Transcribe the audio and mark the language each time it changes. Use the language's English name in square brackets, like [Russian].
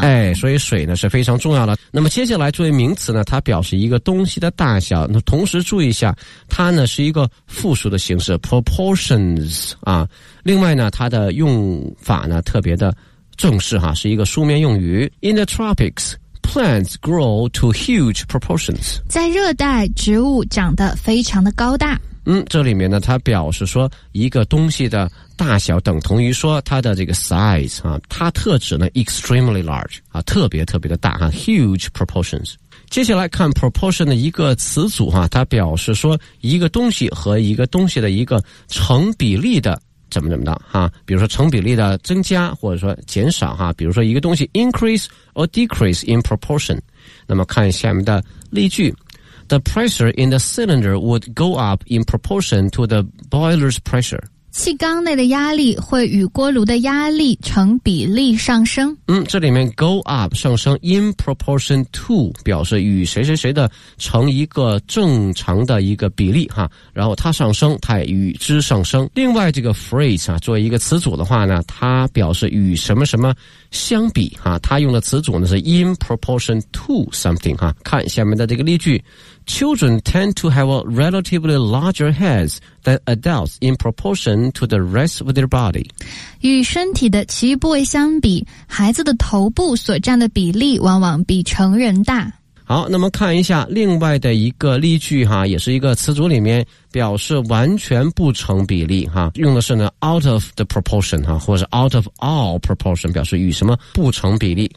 [Chinese] 哎，所以水呢是非常重要的。那么接下来作为名词呢，它表示一个东西的大小，那同时注意一下它呢是一个复数的形式 proportions, 啊。另外呢它的用法呢特别的正式哈，是一个书面用语。 [English] In the tropics, plants grow to huge proportions. [Chinese] 在热带植物长得非常的高大。这里面呢它表示说一个东西的大小等同于说它的这个 size, 啊，它特指呢 [English] extremely large, [Chinese] 啊，特别特别的大，啊， [English] huge proportions。 [Chinese] 接下来看 proportion 的一个词组啊，它表示说一个东西和一个东西的一个成比例的怎么怎么的哈，比如说成比例的增加或者说减少哈，比如说一个东西 [English] increase or decrease in proportion。 [Chinese] 那么看下面的例句。 [English] The pressure in the cylinder would go up in proportion to the boiler's pressure. [Chinese] 气缸内的压力会与锅炉的压力成比例上升。嗯，这里面 [English] go up [Chinese] 上升 [English] in proportion to [Chinese] 表示与谁谁谁的成一个正常的一个比例哈，然后它上升，它也与之上升。另外这个 phrase 啊，作为一个词组的话呢，它表示与什么什么相比哈，它用的词组呢是 [English] in proportion to something [Chinese] 哈。看下面的这个例句。 [English] Children tend to have a relatively larger heads than adults in proportion to the rest of their body. [Chinese] 与身体的其余部位相比，孩子的头部所占的比例往往比成人大。好，那么看一下另外的一个例句哈，也是一个词组里面表示完全不成比例哈，用的是呢 [English] out of the proportion [Chinese] 哈，或者 [English] out of all proportion [Chinese] 表示与什么不成比例。